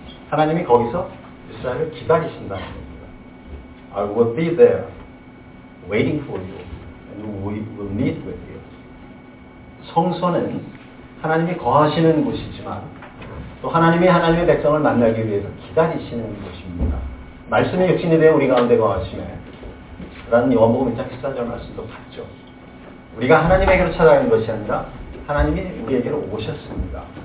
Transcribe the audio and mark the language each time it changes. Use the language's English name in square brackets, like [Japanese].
[Korean] 하나님이 거기서 이스라엘을 기다리신다는 겁니다. [English] I will be there waiting for you and we will meet with you. [Korean] 성소는 하나님이 거하시는 곳이지만 또 하나님이 하나님의 백성을 만나기 위해서 기다리시는 곳입니다. 말씀의 육신이 되어 우리 가운데 거하시네 라는 요한복음 1장 14절 말씀도 봤죠. 우리가 하나님에게로 찾아가는 것이 아니라 하나님이 우리에게로 오셨습니다.